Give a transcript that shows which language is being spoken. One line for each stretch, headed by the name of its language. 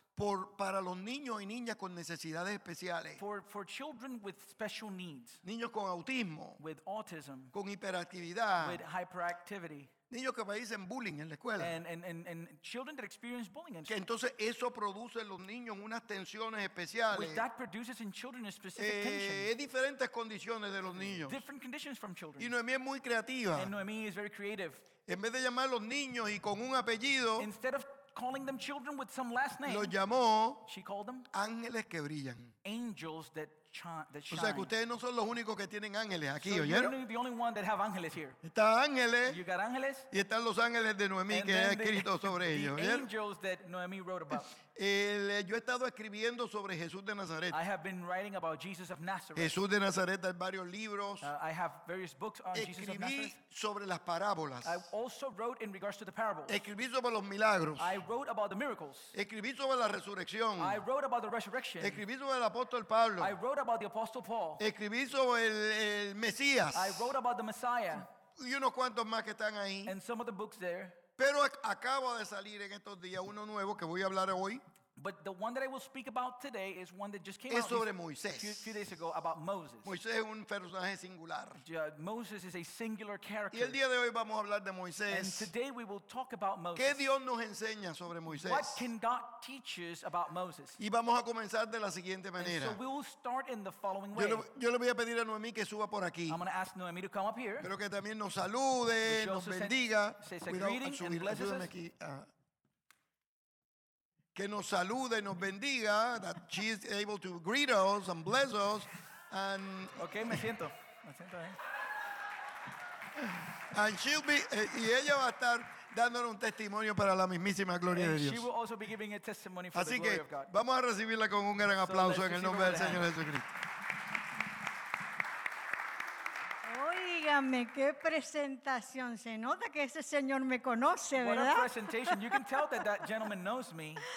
Spanish: para los niños y niñas con necesidades especiales.
English: For children with special needs.
Spanish: Niños con autismo.
English: With autism.
Spanish: Con hiperactividad.
English: With hyperactivity.
Spanish: Niños que padecen bullying en la escuela.
English: And children that experience bullying in school.
Spanish: Que entonces eso produce en los niños unas tensiones especiales.
English: With that produces in children a specific tension.
Spanish: Es diferentes condiciones de los niños.
English: Different conditions from children.
Spanish: Y Noemí es muy creativa.
English: And Noemí is very creative.
Spanish: En vez de llamar a los niños y con un apellido.
English: Instead of calling them children with some last name.
Spanish: Los llamó.
English: She called them.
Spanish: Ángeles que brillan.
English: Angels that shine.
Spanish: O sea, que ustedes no son los únicos que tienen ángeles aquí, ¿oyeron?
English: You're the only one that have angels here.
Spanish: Está ángeles.
English: You got angels.
Spanish: Y están los ángeles de Noemí que ha escrito sobre ellos, ¿oyeron?
English: The angels that Noemí wrote about.
Spanish: Yo he estado escribiendo sobre Jesús de Nazaret.
English: I have been writing about Jesus of Nazareth.
Spanish: Jesús de Nazaret hay varios libros.
English: I have various books on Jesus of Nazareth.
Spanish: Escribí sobre las parábolas.
English: I also wrote in regards to the parables.
Spanish: Escribí sobre los milagros.
English: I wrote about the miracles.
Spanish: Escribí sobre la resurrección.
English: I wrote about the resurrection.
Spanish: Escribí sobre el apóstol Pablo.
English: I wrote about the apostle Paul.
Spanish: Escribí sobre el Mesías.
English: I wrote about the Messiah.
Spanish: Y unos cuantos más que están ahí.
English: And some of the books there.
Spanish: Pero acabo de salir en estos días uno nuevo que voy a hablar hoy.
English: But the one that I will speak about today is one that just came
Spanish: es
English: out
Spanish: sobre Moisés.
English: Few days ago about Moses.
Spanish: Moisés es un personaje singular.
English: Moses is a singular character.
Spanish: Y el día de hoy vamos a hablar de Moisés.
English: And today we will talk about Moses.
Spanish: ¿Qué Dios nos enseña sobre Moisés?
English: What can God teach us about Moses?
Spanish: Y vamos a comenzar de la siguiente manera.
English: And so we will start in the following way.
Spanish: Yo le voy a pedir a Noemí que suba por aquí.
English: I'm going to ask Noemí to come up here.
Spanish: Pero que también nos salude, nos bendiga. Cuidado, ayúdame aquí. Que nos salude y nos bendiga,
English: that she is able to greet us and bless us. And
Spanish: okay, me siento ahí.
English: And she'll be,
Spanish: y ella va a estar dándole un testimonio para la mismísima gloria
English: and
Spanish: de Dios.
English: She will also be giving a testimony for
Spanish: así
English: the
Spanish: que
English: glory of God.
Spanish: Vamos a recibirla con un gran aplauso en el nombre del Señor Jesucristo. Dígame, qué presentación. Se nota que ese señor me conoce, ¿verdad?
English: What a presentation. You can tell that that gentleman knows me.